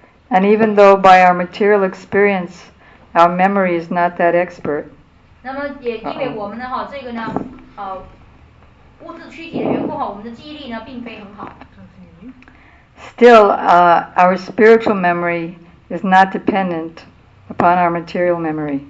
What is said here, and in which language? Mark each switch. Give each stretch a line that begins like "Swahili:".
English: And even though by our material experience, our memory is not that expert.
Chinese: 那么也因为我们的这个物质躯体的缘故，我们的记忆力并非很好。
English: Still, our spiritual memory is not dependent upon our material memory.